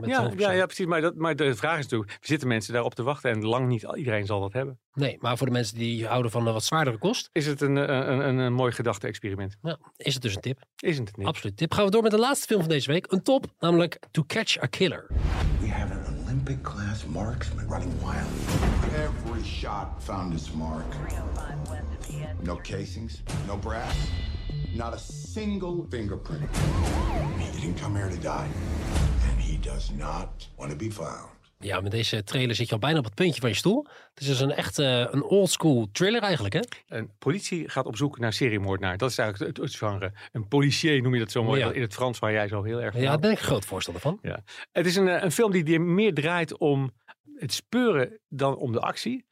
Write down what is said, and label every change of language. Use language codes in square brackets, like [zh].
[nl] Met ja, precies. Maar de vraag is natuurlijk, zitten mensen daarop te wachten? En lang niet iedereen zal dat hebben. Nee, maar voor de mensen die houden van een wat zwaardere kost, is het een mooi gedachte-experiment. Ja, is het dus een tip? Is het niet? Absoluut tip. Gaan we door met de laatste film van deze week. Een top, namelijk To Catch a Killer. [en] We have an Olympic class marksman running wild. Every shot found its mark. No casings, no brass, not a single fingerprint. He didn't come here to die. And he does not want to be found. [nl] Ja, met deze trailer zit je al bijna op het puntje van je stoel. Dus het is een echt een oldschool thriller eigenlijk, hè? Een politie gaat op zoek naar seriemoordenaar. Dat is eigenlijk het genre. Een policier noem je dat zo mooi in het Frans, waar jij zo heel erg van. Ja, daar ben ik een groot voorstander van. Ja. Het is een film die meer draait om het speuren dan om de actie.